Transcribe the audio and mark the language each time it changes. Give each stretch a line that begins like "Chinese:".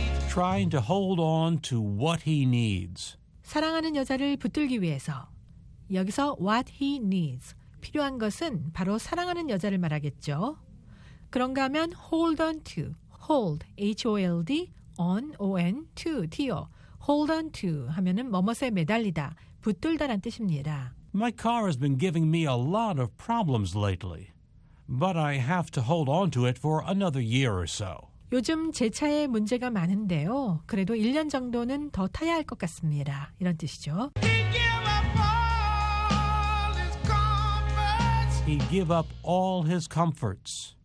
English: Trying to hold on to what he needs.
Korean: 사랑하는 여자를 붙들기 위해서. 여기서
English: what he needs.
Korean: 필요한 것은 바로 사랑하는 여자를 말하겠죠. 그런가 하면
English: hold on to. Hold, H-O-L-D, on, O-N, to, T-O. Hold on to
Korean: 하면은 뭐뭐에 매달리다, 붙들다란 뜻입니다.
English: My car has been giving me a lot of problems lately, but I have to hold on to it for another year or so.
Korean: 요즘 제 차에 문제가 많은데요. 그래도 1년 정도는 더 타야 할 것 같습니다. 이런 뜻이죠.
English: He gave up all his comforts. He gave up all his comforts.